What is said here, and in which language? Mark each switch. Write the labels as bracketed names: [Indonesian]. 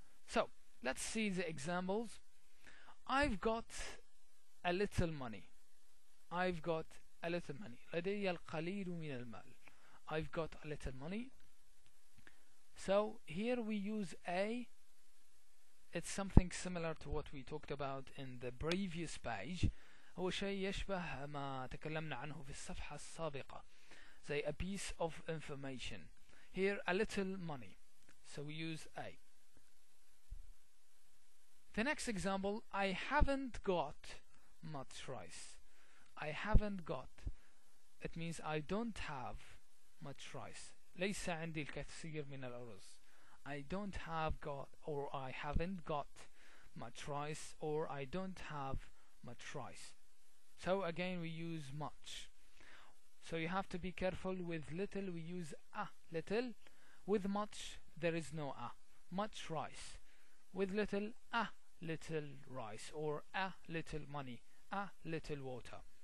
[English] So let's see the examples. I've got a little money. I've got a little money. [Arabic] لدي القليل من المال. [English] I've got a little money. So here we use a. It's something similar to what we talked about in the previous page. [Arabic] هو شيء يشبه ما تكلمنا عنه في الصفحة السابقة. [English] Say a piece of information. Here a little money. So we use a. The next example, I haven't got much rice. I haven't got. It means I don't have much rice. [Arabic] ليس عندي الكثير من الأرز. [English] I don't have got, or I haven't got much rice, or I don't have much rice. So again we use much. So you have to be careful with little, we use a little. With much, there is no a. Much rice. With little, a little rice, or a little money, a little water.